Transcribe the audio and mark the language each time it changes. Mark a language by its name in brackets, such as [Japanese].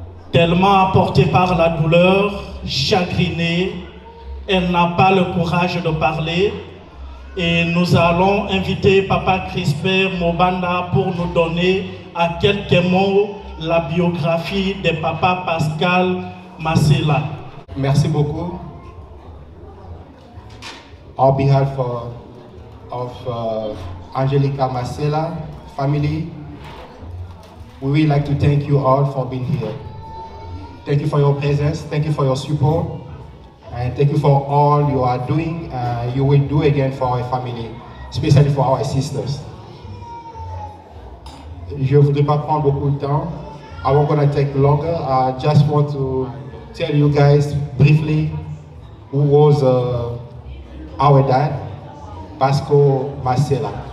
[French] Tellement apportée par la douleur, chagrinée, elle n'a pas le courage de parler. Et nous allons inviter Papa Crispin Mobanda pour nous donner à quelques mots la biographie de Papa Pascal Massela. Merci beaucoup. [English] On behalf of Angelica Massela family, we would like to thank you all for being here. Thank you for your presence, thank you for your support, and thank you for all you are doing, you will do again for our family, especially for our sisters. [French] Je ne voudrais pas prendre beaucoup de temps. [English] I won't gonna take longer. I just want to tell you guys briefly who was our dad, Pasco Massela.